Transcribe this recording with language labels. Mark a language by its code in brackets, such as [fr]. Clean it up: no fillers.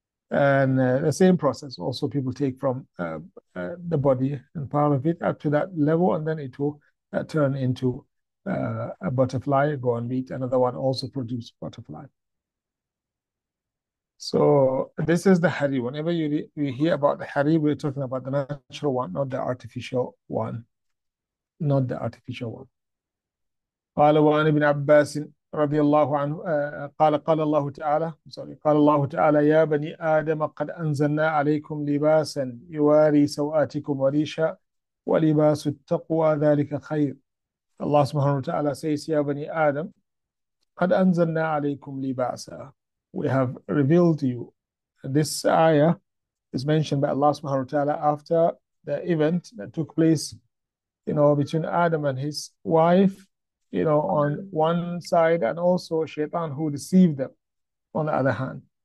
[en] And the same process also people take from the body and part of it up to that level, and then it will turn into a butterfly, go and meet another one, also produce butterfly. So this is the Hari. Whenever you hear about the Hari, we're talking about the natural one, not the artificial one. Not the artificial one. [ar] قال وعن ابن عباس رضي الله عنه قال قال الله تعالى سوري قال الله تعالى يا بني آدم قد أنزلنا عليكم لباسا يواري سوآتكم وريشا ولباس التقوى ذلك خير. الله سبحانه وتعالى [en] says [ar] يا بني آدم قد أنزلنا عليكم لباسا. [en] We have revealed to you. This ayah is mentioned by Allah subhanahu wa ta'ala after the event that took place, you know, between Adam and his wife, you know, on one side, and also Shaitan who deceived them on the other hand.